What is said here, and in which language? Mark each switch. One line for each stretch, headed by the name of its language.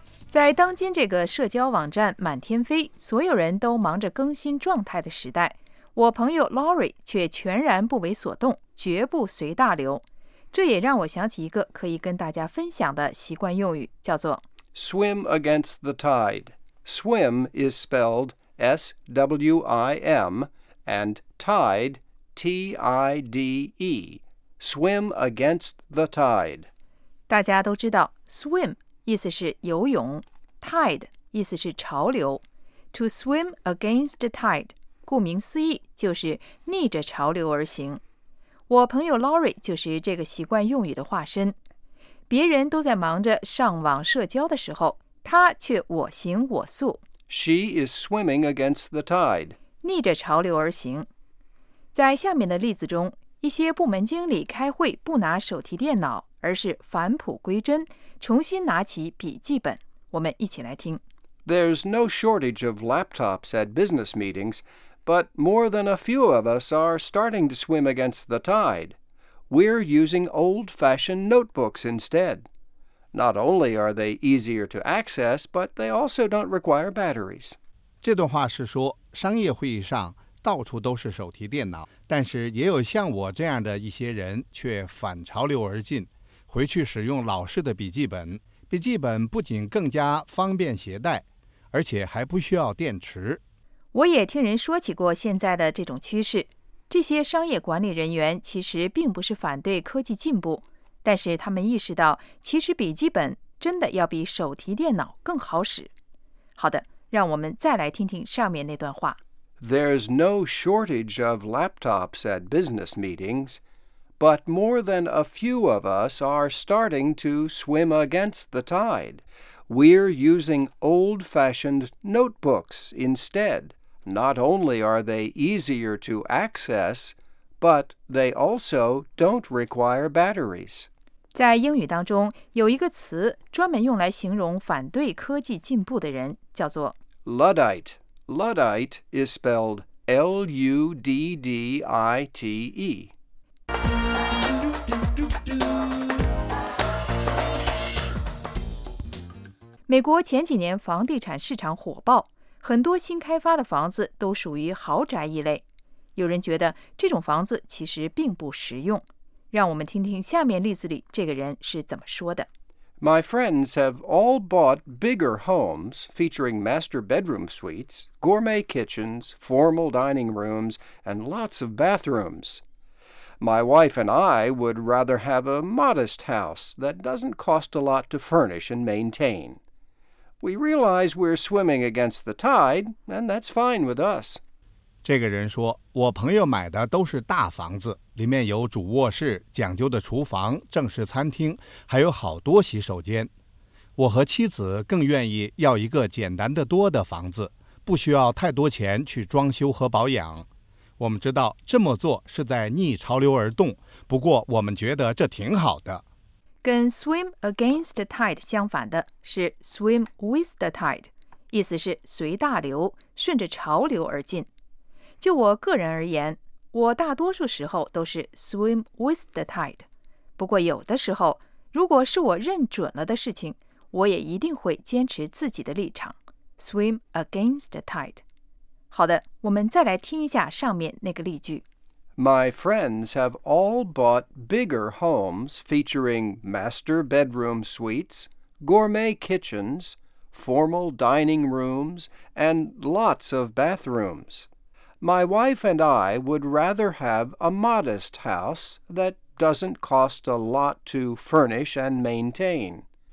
Chinese: 在当今这个社交网站满天飞所有人都忙着更新状态的时代我朋友 Laurie 却全然不为所动绝不随大流这也让我想起一个可以跟大家分享的习惯用语叫做
English: Swim against the tideSwim is spelled S-W-I-M and tide, T-I-D-E. Swim against the tide.
Chinese: 大家都知道 swim 意思是游泳 tide 意思是潮流
English: To swim against the tide,
Chinese: 顾名思义就是逆着潮流而行。我朋友 Laurie 就是这个习惯用语的化身。别人都在忙着上网社交的时候她却我行我素。
English: She is swimming against the tide.
Chinese: 逆着潮流而行。在下面的例子中，一些部门经理开会不拿手提电脑，而是返璞归真，重新拿起笔记本。我们一起来听。
English: There's no shortage of laptops at business meetings, but more than a few of us are starting to swim against the tide. We're using old-fashioned notebooks instead. Not only are they easier to access, but they also don't require batteries.
Chinese: 这段话是说，商业会议上到处都是手提电脑，但是也有像我这样的一些人却反潮流而进，回去使用老式的笔记本。笔记本不仅更加方便携带，而且还不需要电池。我也听人说起过现在的这种趋势。这些商业管理人员其实并不是反对科技进步。但是他们意识到，其实笔记本真的要比手提电脑更好使。好的，让我们再来听听上面那段话。
English: There's no shortage of laptops at business meetings, but more than a few of us are starting to swim against the tide. We're using old-fashioned notebooks instead. Not only are they easier to access, but they also don't require batteries.
Chinese: 在英语当中，有一个词专门用来形容反对科技进步的人，叫做
English: Luddite. Luddite is spelled L-U-D-D-I-T-E.
Chinese: 美国前几年房地产市场火爆，很多新开发的房子都属于豪宅一类。有人觉得这种房子其实并不实用。让我们听听下面例子里这个人是怎么说的。
English: My friends have all bought bigger homes featuring master bedroom suites, gourmet kitchens, formal dining rooms, and lots of bathrooms. My wife and I would rather have a modest house that doesn't cost a lot to furnish and maintain. We realize we're swimming against the tide, and that's fine with us.
Chinese: 这个人说，我朋友买的都是大房子，里面有主卧室、讲究的厨房、正式餐厅，还有好多洗手间。我和妻子更愿意要一个简单的多的房子，不需要太多钱去装修和保养。我们知道这么做是在逆潮流而动，不过我们觉得这挺好的。跟
English: swim against the tide
Chinese: 相反的是
English: swim with the tide，
Chinese: 意思是随大流，顺着潮流而进。就我个人而言，我大多数时候都是
English: swim with the tide。
Chinese: 不过有的时候，如果是我认准了的事情，我也一定会坚持自己的立场，
English: swim against the tide。
Chinese: 好的，我们再来听一下上面那个例句。
English: My friends have all bought bigger homes featuring master bedroom suites, gourmet kitchens, formal dining rooms, and lots of bathrooms. My wife and I would rather have a modest house that doesn't cost a lot to furnish and maintain.